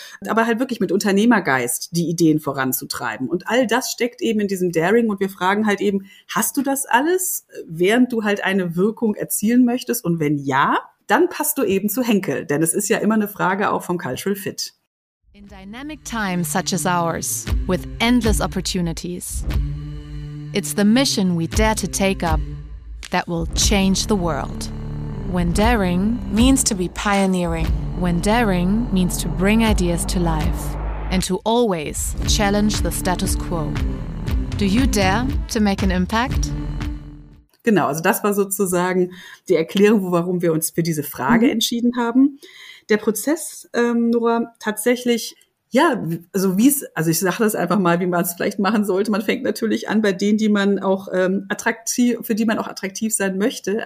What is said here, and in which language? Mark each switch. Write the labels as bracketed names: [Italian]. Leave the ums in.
[German] Aber halt wirklich mit Unternehmergeist die Ideen voranzutreiben. Und all das steckt eben in diesem Daring. Und wir fragen halt eben, hast du das alles, während du halt eine Wirkung erzielen möchtest? Und wenn ja, dann passt du eben zu Henkel. Denn es ist ja immer eine Frage auch vom Cultural Fit. [English] In dynamic times such as ours, with endless opportunities, it's the mission we dare to take up. that will change the world. When daring means to be pioneering. When daring means to bring ideas to life and to always challenge the status quo. Do you dare to make an impact? [German] Genau, also das war sozusagen die Erklärung, warum wir uns für diese Frage mhm. entschieden haben. Der Prozess, ähm, Nora, tatsächlich ja, also wie es, also ich sage das einfach mal, wie man es vielleicht machen sollte. Man fängt natürlich an bei denen, die man auch ähm, attraktiv, für die man auch attraktiv sein möchte.